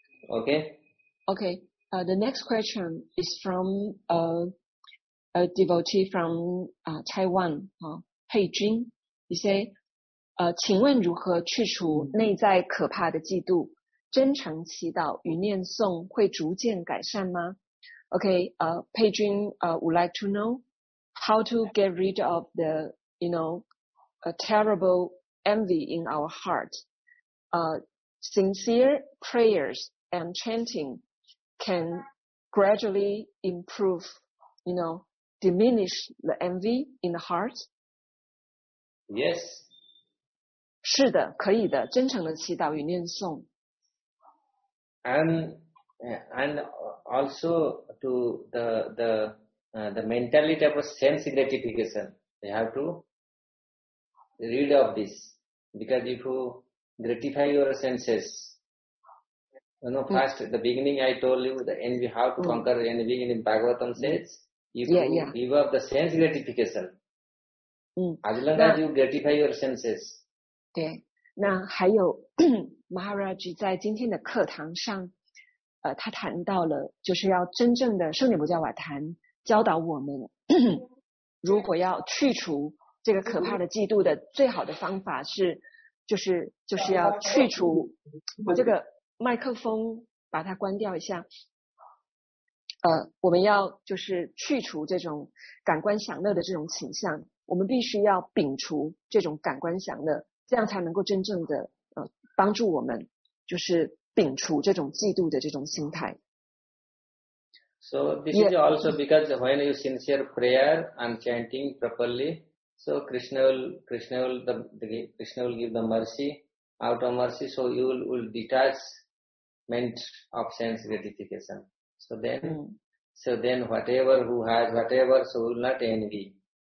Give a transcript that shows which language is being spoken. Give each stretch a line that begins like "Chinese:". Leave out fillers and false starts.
English: Okay. The next question is from a devotee from Taiwan, Hei Jun. He say.
Chinese: 请问如何去除内在可怕的嫉妒？真诚祈祷与念诵会逐渐改善吗 ？
English: Okay, Jun, would like to know how to get rid of the, you know, a terrible envy in our heart. Sincere prayers and chanting can gradually improve, you know, diminish the envy in the heart. Yes.
Chinese: 是的，可以的，真诚的祈祷与念诵。
English: And also to the mentality of a sense gratification, you have to read of this, because if you gratify your senses, you know, first the beginning I told you the envy, how to conquer envy in Bhagavatam says, you give up the sense gratification. As long as you gratify your senses.
Chinese: 对，那还有Maharaj 在今天的课堂上，他谈到了就是要真正的圣典不教瓦坛教导我们，如果要去除这个可怕的嫉妒的最好的方法是，就是要去除这个麦克风，把它关掉一下。我们要就是去除这种感官享乐的这种倾向，我们必须要摒除这种感官享乐。这样才能够真正的帮助我们，就是摒除这种嫉妒的这种心态。
English: So this is also because when you sincere prayer and chanting properly, so Krishna will give the mercy out of mercy, so you will detachment of sense gratification. So then whatever who has whatever, so will not envy.